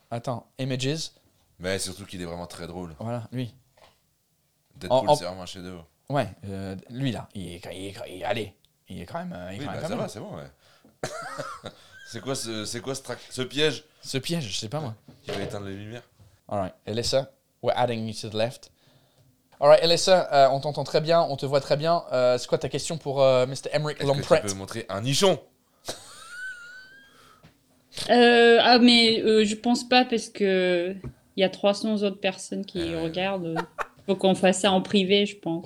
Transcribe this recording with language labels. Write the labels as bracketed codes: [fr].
[fr] Attends, images. Mais surtout qu'il est vraiment très drôle. Voilà, lui. Deadpool, c'est vraiment un chef-d'œuvre. Ouais, lui là, il est quand même. Ça va, c'est bon. Ouais. c'est quoi ce piège? Ce piège, je sais pas moi. Il va éteindre les lumières. [en] Alright, Elissa, we're adding you to the left. [fr] Alright, Elissa, on t'entend très bien, on te voit très bien. C'est quoi ta question pour Mr. Emric Lompret? Est-ce que tu peux montrer un nichon? Je pense pas parce qu'il y a 300 autres personnes qui regardent. Faut qu'on fasse ça en privé, je pense.